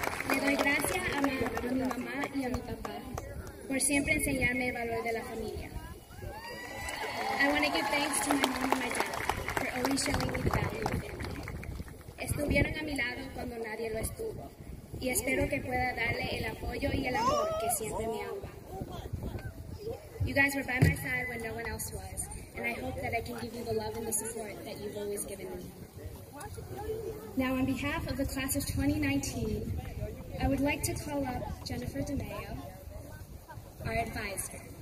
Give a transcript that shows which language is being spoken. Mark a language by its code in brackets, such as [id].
[es] Le doy gracias a mi mamá y a mi papá por siempre enseñarme el valor de la familia. [en] I want to give thanks to my mom and my dad for always showing me the value. [es] Estuvieron a mi lado cuando nadie lo estuvo, y espero que pueda darle el apoyo y el amor que siempre me ama. [en] You guys were by my side when no one else was, and I hope that I can give you the love and the support that you've always given me. Now, on behalf of the class of 2019, I would like to call up Jennifer DeMayo, our advisor.